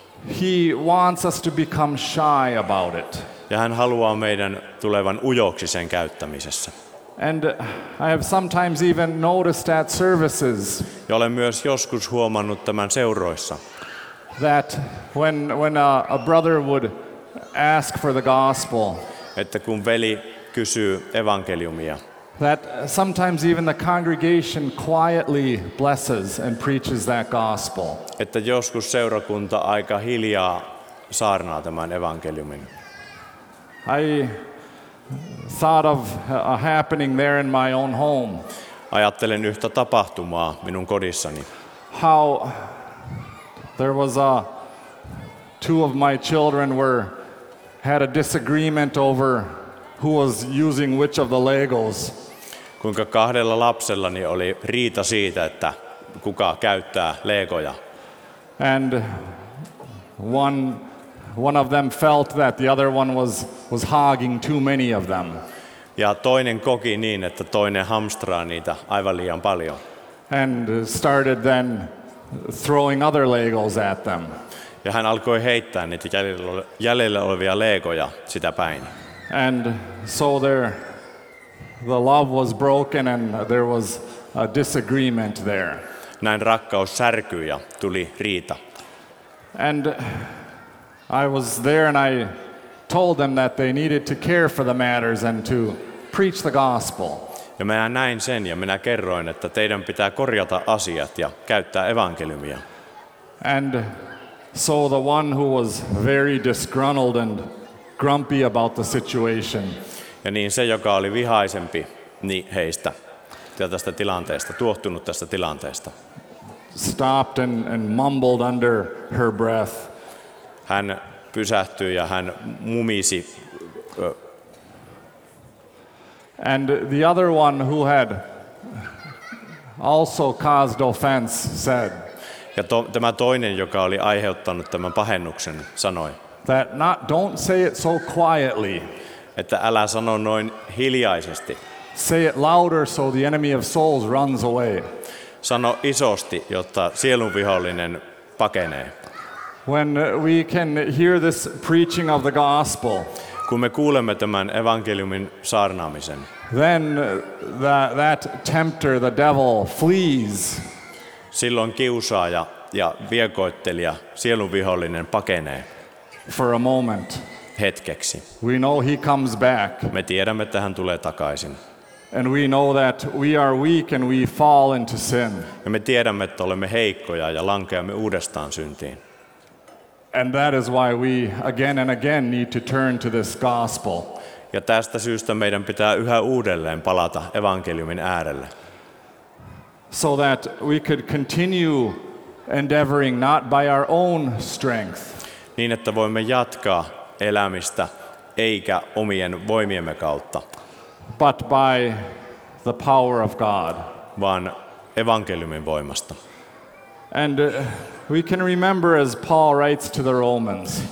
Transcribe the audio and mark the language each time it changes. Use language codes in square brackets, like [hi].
[en] He wants us to become shy about it. [fi] Ja hän haluaa meidän tulevan ujoksi sen käyttämisessä. [en] And I have sometimes even noticed at services. [fi] Ja olen myös joskus huomannut tämän seuroissa. [en] That when a brother would ask for the gospel. [fi] Että kun veli kysyy evankeliumia. [en] That sometimes even the congregation quietly blesses and preaches that gospel. [fi] Että joskus seurakunta aika hiljaa saarnaa tämän evankeliumin. [en] I thought of a happening there in my own home. [fi] Ajattelen yhtä tapahtumaa minun kodissani. [en] How there was a two of my children were had a disagreement over who was using which of the Legos. [fi] Kuinka kahdella lapsellani oli riita siitä, että kuka käyttää Legoja. [en] And one one of them felt that the other one was hogging too many of them. [fi] Ja toinen koki niin, että toinen hamstraa niitä aivan liian paljon. [en] And started then throwing other Legos at them. [fi] Ja hän alkoi heittää niitä jäljellä olevia Legoja sitä päin. [en] And so the love was broken and there was a disagreement there. [fi] Näin rakkaus särkyi ja tuli riita. [en] And I was there and I told them that they needed to care for the matters and to preach the gospel. [fi] Ja minä näin sen ja minä kerroin, että teidän pitää korjata asiat ja käyttää evankeliumia. [en] And so the one who was very disgruntled and grumpy about the situation. [fi] Ja niin se, joka oli vihaisempi heistä ja tästä tilanteesta, tuohtunut tästä tilanteesta. [en] Stopped and mumbled under her breath. [fi] Hän pysähtyi ja hän mumisi. [en] And the other one who had also caused offense said. [fi] Ja tämä toinen, joka oli aiheuttanut tämän pahennuksen, sanoi. [en] That not, don't say it so quietly. [fi] Että älä sano noin hiljaisesti. [en] Say it louder so the enemy of souls runs away. [fi] Sano isosti, jotta sielunvihollinen pakenee. [en] When we can hear this preaching of the gospel, [fi] kun me kuulemme tämän evankeliumin saarnaamisen, [en] then that tempter, the devil, flees. [fi] Silloin kiusaaja ja viekoittelija, sielunvihollinen pakenee. [en] For a moment. [fi] Hetkeksi. [en] We know he comes back. [fi] Me tiedämme, että hän tulee takaisin. [en] And we know that we are weak and we fall into sin. [fi] Ja me tiedämme, että olemme heikkoja ja lankeamme uudestaan syntiin. [en] And that is why we again and again need to turn to this gospel. [fi] Ja tästä syystä meidän pitää yhä uudelleen palata evankeliumin äärelle. [en] So that we could continue endeavoring not by our own strength. [fi] Niin että voimme jatkaa elämistä eikä omien voimiemme kautta. [en] But by the power of God. [fi] Vaan evankeliumin voimasta. [en] And we can remember as Paul writes to the Romans.